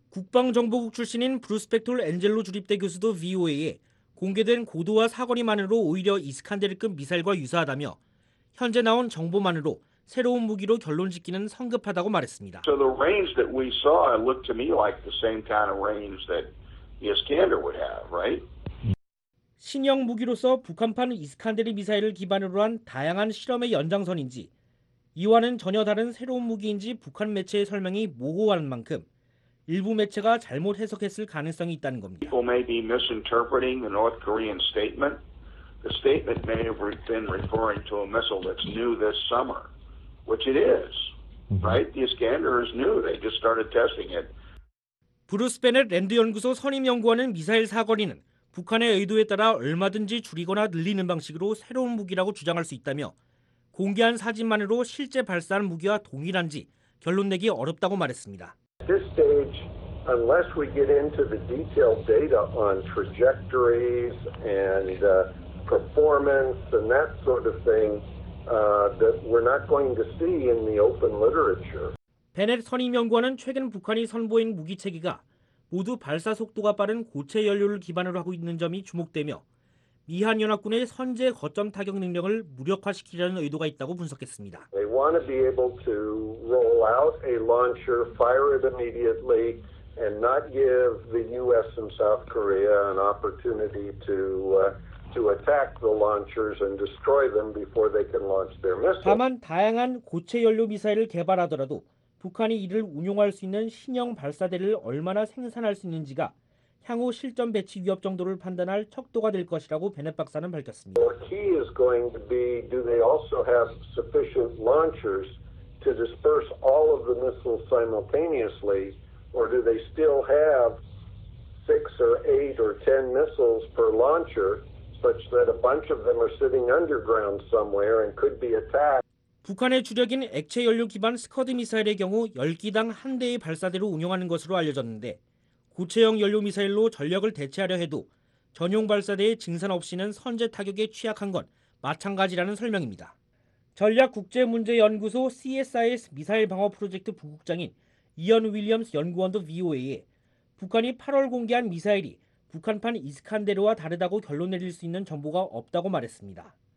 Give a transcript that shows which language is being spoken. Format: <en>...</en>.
<ko>국방정보국 출신인 브루스펙톨 엔젤로 주립대 교수도 VOA에 공개된 고도와 사거리만으로 오히려 이스칸데르급 미사일과 유사하다며 현재 나온 정보만으로 새로운 무기로 결론짓기는 성급하다고 말했습니다.</ko> <en>So the range that we saw looked to me like the same kind of range that the Iskander would have, right?</en> <ko>신형 무기로서 북한판 이스칸데르 미사일을 기반으로 한 다양한 실험의 연장선인지 이와는 전혀 다른 새로운 무기인지 북한 매체의 설명이 모호한 만큼 일부 매체가 잘못 해석했을 가능성이 있다는 겁니다.</ko> <en>People may be misinterpreting the North Korean statement. The statement may have been referring to a missile that's new this summer, which it is, right? The Iskander is new. They just started testing it.</en> <ko>브루스 베넷 랜드 연구소 선임 연구원은 미사일 사거리는 북한의 의도에 따라 얼마든지 줄이거나 늘리는 방식으로 새로운 무기라고 주장할 수 있다며 공개한 사진만으로 실제 발사한 무기와 동일한지 결론 내기 어렵다고 말했습니다.</ko> <en>At this stage, unless we get into the detailed data on trajectories and performance and that sort of thing, that we're not going to see in the open literature.</en> <ko>베넷 선임 연구원은 최근 북한이 선보인 무기 체계가 모두 발사 속도가 빠른 고체 연료를 기반으로 하고 있는 점이 주목되며 미한 연합군의 선제 거점 타격 능력을 무력화시키려는 의도가 있다고 분석했습니다.</ko> <en>They want to be able to roll out a launcher, fire it immediately, and not give the U.S. and South Korea an opportunity to attack the launchers and destroy them before they can launch their missile.</en> <ko>다만 다양한 고체 연료 미사일을 개발하더라도 북한이 이를 운용할 수 있는 신형 발사대를 얼마나 생산할 수 있는지가 향후 실전 배치 위협 정도를 판단할 척도가 될 것이라고 베넷 박사는 밝혔습니다.</ko> <en>The key is going to be, do they also have sufficient launchers to disperse all of the missiles simultaneously, or do they still have six or eight or ten missiles per launcher, such that a bunch of them are sitting underground somewhere and could be attacked?</en> <ko>북한의 주력인 액체 연료 기반 스커드 미사일의 경우 10기당 한 대의 발사대로 운용하는 것으로 알려졌는데 고체형 연료 미사일로 전력을 대체하려 해도 전용 발사대의 증산 없이는 선제 타격에 취약한 건 마찬가지라는 설명입니다. 전략국제문제연구소 CSIS 미사일 방어 프로젝트 부국장인 이언 윌리엄스 연구원도 VOA에 북한이 8월 공개한 미사일이 북한판 이스칸데르와 다르다고 결론 내릴 수 있는 정보가 없다고 말했습니다.</ko>